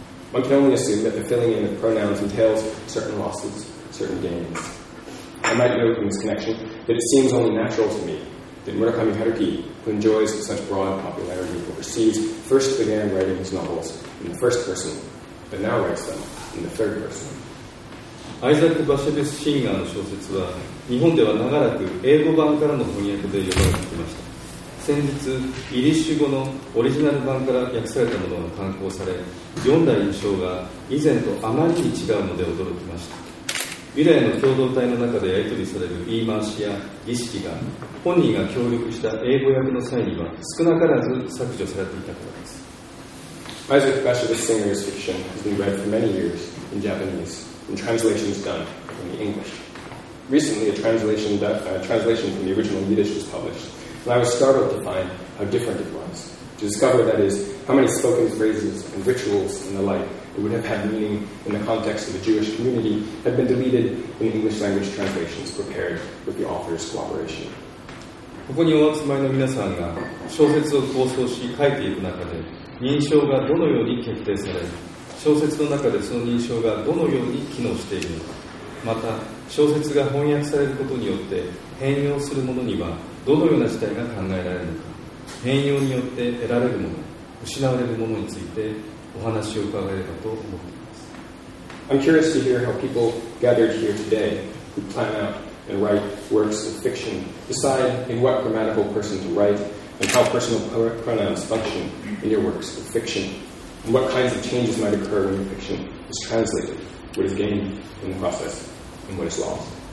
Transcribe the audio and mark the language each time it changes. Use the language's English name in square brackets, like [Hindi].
[English] One can only assume that the filling in of pronouns entails certain losses, certain gains. I might note in this connection that it seems only natural to me that Murakami Haruki, who enjoys such broad popularity overseas, first began writing his novels in the first person, but now writes them in the third person. [Japanese] アイザック・バシェベス・シンガーの小説は、日本では長らく英語版からの翻訳で読まれてきました。先日、イリッシュ語のオリジナル版から訳されたものが刊行され、読んだ印象が以前とあまりに違うので驚きました。ユダヤの共同体の中でやり取りされる言い回しや儀式が本人が協力した英語訳の際には少なからず削除されていたからです。 [English] Isaac Bashevis Singer's fiction has been read for many years in Japanese and translations done from the English. Recently, a translation from the original Yiddish was published, and I was startled to find how different it was. To discover, that is, how many spoken phrases and rituals and the like. It would have had meaning in the context of a Jewish community had been deleted in English language translations prepared with the author's cooperation. [Japanese] ここにお集まりの皆さんが小説を構想し書いていく中で認証がどのように決定され小説の中でその認証がどのように機能しているのか、また小説が翻訳されることによって変容するものにはどのような事態が考えられるのか、変容によって得られるもの、失われるものについてお話を伺えればと思っています。 [English] I'm curious to hear how people gathered here today who plan out and write works of fiction decide in what grammatical person to write and how personal pronouns function in your works of fiction and what kinds of changes might occur when your fiction is translated, what is gained in the process and what is lost.